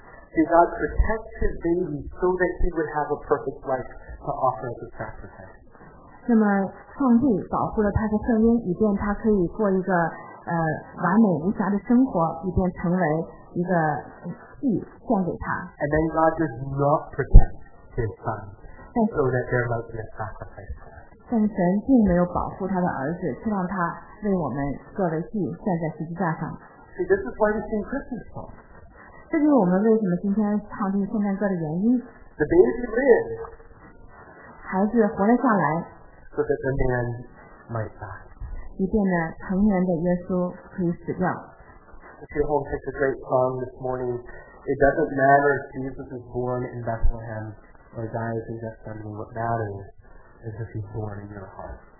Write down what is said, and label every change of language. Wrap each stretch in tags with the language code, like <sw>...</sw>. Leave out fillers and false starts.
<en>See, God protects his baby so that he would have a perfect life to offer as a sacrifice.</en> <zh>那么，上帝保护了他的圣婴，以便他可以过一个完美无瑕的生活，已经成为一个祭献给他。</zh> <en>And then God does not protect His son, so that there might be a sacrifice.</en> <zh>但神并没有保护他的儿子，却让他为我们作为祭献在十字架上。</zh> <en>See, this is why we sing Christmas songs.</en> <zh>这就是我们为什么今天唱这个圣诞歌的原因。</zh> <en>The baby lived.</en> <zh>孩子活了下来。</zh> <en>So that the man might die.</en> <zh>以便呢，成年的耶稣可以死掉。</zh> <en>If you hold such a great song this morning, it doesn't matter if Jesus is born in Bethlehem or dies in Gethsemane. What matters is if he's born in your heart.</en>